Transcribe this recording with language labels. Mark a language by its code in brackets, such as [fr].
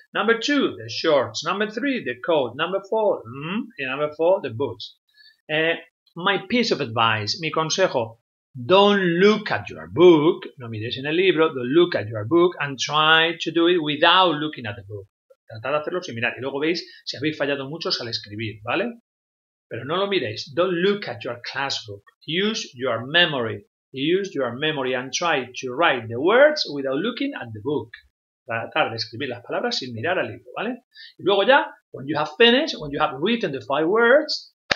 [en] Number two, the shorts. Number three, the coat. Number four, number four, the boots. My piece of advice, [es] mi consejo, [en] don't look at your book, [es] no mires en el libro, [en] don't look at your book and try to do it without looking at the book. [es] Tratad de hacerlo sin mirar y luego veis si habéis fallado muchos al escribir, ¿vale? Pero no lo miréis, [en] don't look at your classbook, use your memory and try to write the words without looking at the book. [es] Tratar de escribir las palabras sin mirar al libro, ¿vale? Y luego ya, [en] when you have finished, when you have written the 5 words,